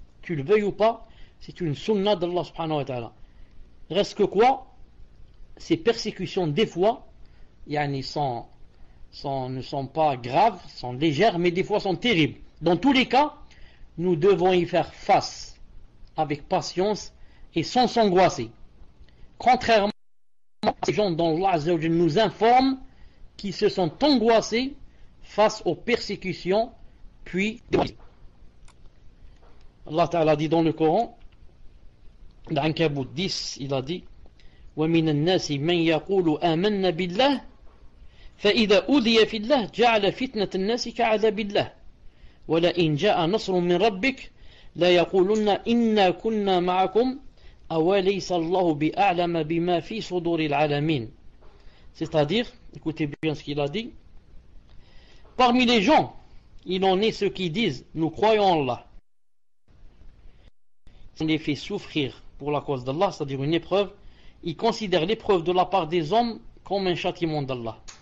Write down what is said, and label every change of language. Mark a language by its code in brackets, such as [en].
[fr] Tu le veuilles ou pas, c'est une sunna d'Allah subhanahu wa ta'ala. Reste que quoi? Ces persécutions, des fois, yani, ne sont pas graves, sont légères, mais des fois sont terribles. Dans tous les cas, nous devons y faire face avec patience et sans s'angoisser. Contrairement à ces gens dont Allah azzawajal nous informe, qui se sont angoissés face aux persécutions, puis Allah Ta'ala a dit dans le Coran, dans l'Ankabout 10, il a dit: [ar] وَمِنَ النَّاسِ مَنْ يَقُولُ آمَنَّ بِاللَّهِ فَإِذَا أُوذِيَ فِي اللَّهِ جَعَلَ فِتْنَةَ النَّاسِ كَعَذَابِ اللَّهِ وَلَئِنْ جَاءَ نَصْرٌ مِنْ رَبِّكَ لَيَقُولُنَّ إِنَّا كُنَّا مَعَكُمْ أَوَلَيْسَ اللَّهُ بِأَعْلَمَ بِمَا فِي صُدُورِ الْعَالَمِينَ. [fr] C'est-à-dire, écoutez bien ce qu'il a dit. Parmi les gens, il en est ceux qui disent, nous croyons en Allah. Ils les fait souffrir pour la cause d'Allah, c'est-à-dire une épreuve. Ils considèrent l'épreuve de la part des hommes comme un châtiment d'Allah.